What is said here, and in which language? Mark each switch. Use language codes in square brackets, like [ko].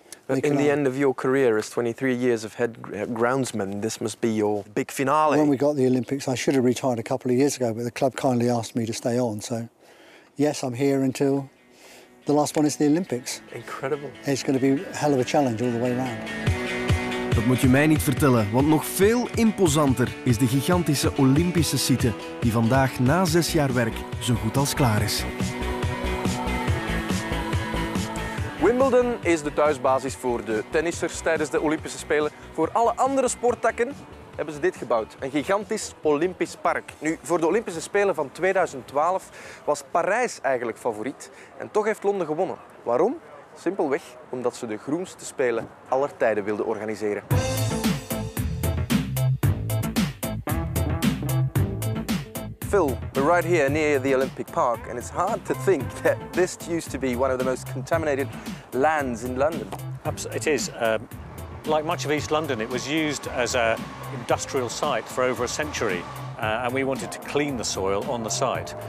[en] But in the end of your career as 23 years of head groundsman, this must be your big finale. When we got the Olympics, I should have retired a couple of years ago, but the club kindly asked me to stay on. So, yes, I'm here until the last one is the Olympics. Incredible. It's going to be a hell of a challenge all the way around. [nl] Dat moet je mij niet vertellen, want nog veel imposanter is de gigantische Olympische site die vandaag na 6 jaar werk zo goed als klaar is. Wimbledon is de thuisbasis voor de tennissers tijdens de Olympische Spelen. Voor alle andere sporttakken hebben ze dit gebouwd. Een gigantisch Olympisch park. Nu, voor de Olympische Spelen van 2012 was Parijs eigenlijk favoriet. En toch heeft Londen gewonnen. Waarom? Simpelweg omdat ze de groenste Spelen aller tijden wilden organiseren. [en] Phil, we're right here near the Olympic Park, and it's hard to think that this used to be one of the most contaminated lands in London. Absolutely, it is. Like much of East London, it was used as an industrial site for over a century, and we wanted to clean the soil on the site.